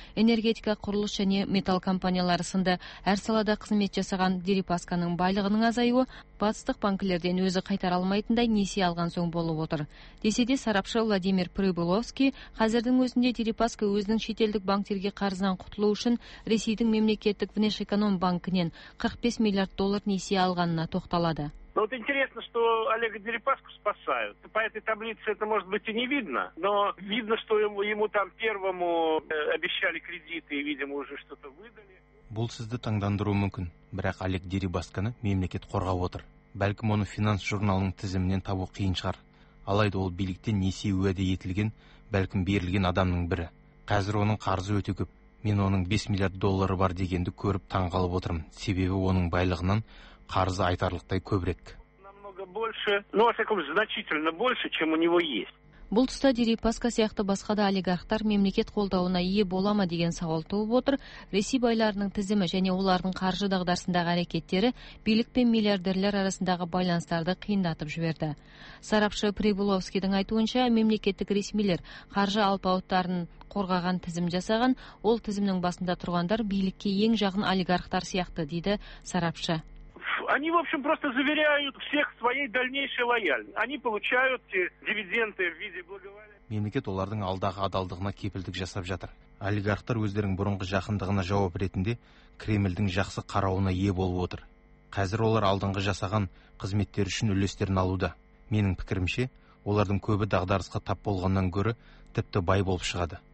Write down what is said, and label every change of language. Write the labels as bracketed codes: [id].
[kk] Энергетика, құрылыс және металл компаниялары сынды әр салада қызмет жасаған Дерипасканың байлығының азаюы батыстық банкілерден өзі қайтара алмайтындай несие алған соң болып отыр. Десе де сарапшы Владимир Прыбуловский қазірдің өзінде Дерипаска өзінің шетелдік банктерге қарызынан құтылу үшін Ресейдің мемлекеттік Внешэконом банкінен 45 миллиард доллар несие алғанына тоқталады. [ru] Но вот интересно, что Олега Дерипаску спасают. По этой таблице это, может быть, и не видно, но видно, что ему там первому обещали кредиты и, видимо, уже что-то выдали. [kk] Бұл сізді таңдандыруы мүмкін, бірақ Олег Дерипасканы мемлекет қорғап отыр. Бәлкім оны финанс журналының тізімінен табу қиын шығар. Алайда ол биліктен несие уәде етілген, бәлкім берілген адамның бірі. Қазір оның қарызы өте көп. Мен оның 5 миллиард доллары бар дегенді көріп таң қалып отырмын. Себебі оның байлығынан қарызы айтарлықтай көбірек. Бұл тұста Дерипаска сияқты басқа да олигархтар мемлекет қолдауына ие бола ма деген сауал туып отыр. Ресей байларының тізімі және олардың қаржы дағдарысындағы әрекеттері билік пен миллиардерлер арасындағы байланыстарды қиындатып жіберді. Сарапшы Прибуловскийдің айтуынша, мемлекеттік ресмилер қаржы алпауыттарын қорғаған тізім жасаған, ол тізімнің басында тұрғандар билікке ең жақын олигархтар сияқты, дейді сарапшы. [ru] Они, в общем, просто заверяют всех своей дальнейшей лояльности. Они получают дивиденды в виде благоволения. [kk] Мемлекет олардың алдағы адалдығына кепілдік жасап жатыр. Олигархтар өздерінің бұрынғы жақындығына жауап ретінде Кремльдің жақсы қарауына ие болып отыр. Қазір олар алдыңғы жасаған қызметтер үшін үлестерін алуда. Менің пікірімше, олардың көбі дағдарысқа тап болғаннан гөрі тіпті бай болып шығады.